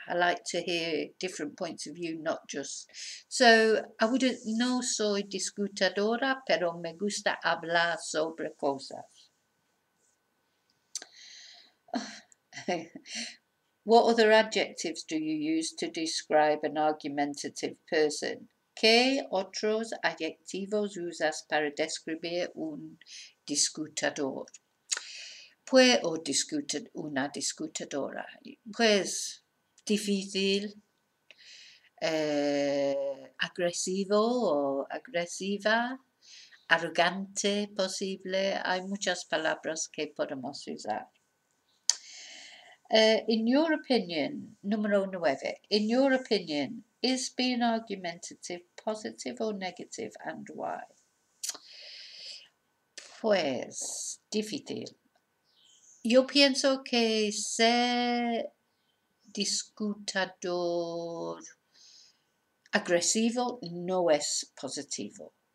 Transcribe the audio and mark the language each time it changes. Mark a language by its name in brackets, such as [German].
[English] I like to hear different points of view, not just. So, I wouldn't, [Spanish] no soy discutadora, pero me gusta hablar sobre cosas. [English] What other adjectives do you use to describe an argumentative person? [Spanish] ¿Qué otros adjetivos usas para describir un discutador? ¿Puedo discutir una discutadora? Pues, difícil, agresivo o agresiva, arrogante, posible. Hay muchas palabras que podemos usar. [English] In your opinion, [Spanish] número 9, [English] in your opinion, is being argumentative positive or negative and why? [Spanish] Pues, difícil. Yo pienso que ser discutador agresivo no es positivo.